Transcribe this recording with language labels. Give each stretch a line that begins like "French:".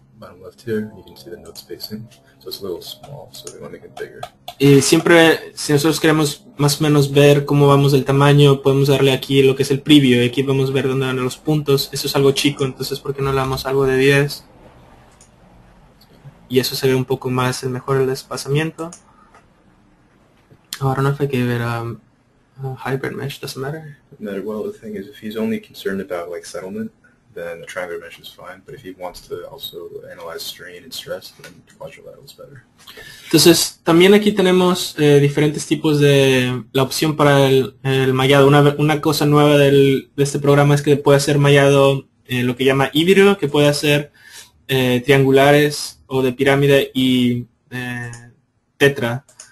English: Bottom left here, you can see the node spacing, so it's a little small, so we want to make it bigger.
Spanish: Y siempre, si nosotros queremos más o menos ver cómo vamos del tamaño, podemos darle aquí lo que es el preview, y aquí vamos a ver dónde van los puntos. Eso es algo chico, entonces, ¿por qué no le damos algo de 10? Y eso se ve un poco más, mejor el desplazamiento.
English: Oh, I don't know if I gave it a hybrid mesh, doesn't matter. No, well, the thing is, if he's only concerned about, like, settlement, then a triangular mesh is fine, but if he wants to also analyze strain and stress, then quadrilateral is better.
Spanish: Entonces, también aquí tenemos diferentes tipos de la opción para el mallado. Una cosa nueva de este programa es que puede hacer mallado lo que llama híbrido, que puede hacer triangulares o de pirámide y tetra.